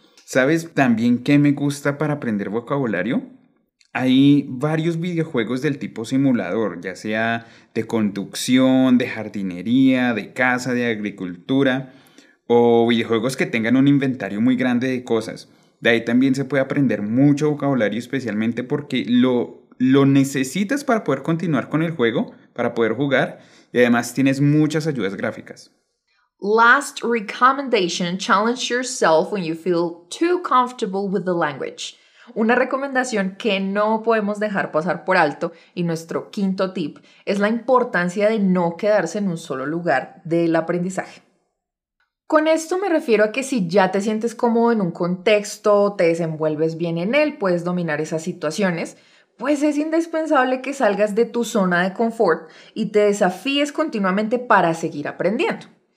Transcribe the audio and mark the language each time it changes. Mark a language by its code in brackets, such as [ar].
[es] ¿Sabes también qué me gusta para aprender vocabulario? Hay varios videojuegos del tipo simulador, ya sea de conducción, de jardinería, de caza, de agricultura, o videojuegos que tengan un inventario muy grande de cosas. De ahí también se puede aprender mucho vocabulario, especialmente porque lo necesitas para poder continuar con el juego, para poder jugar, y además tienes muchas ayudas gráficas. [en] Last recommendation, challenge yourself when you feel too comfortable with the language. [es] Una recomendación que no podemos dejar pasar por alto, y nuestro quinto tip, es la importancia de no quedarse en un solo lugar del aprendizaje. Con esto me refiero a que si ya te sientes cómodo en un contexto, te desenvuelves bien en él, puedes dominar esas situaciones, pues es indispensable que salgas de tu zona de confort y te desafíes continuamente para seguir aprendiendo.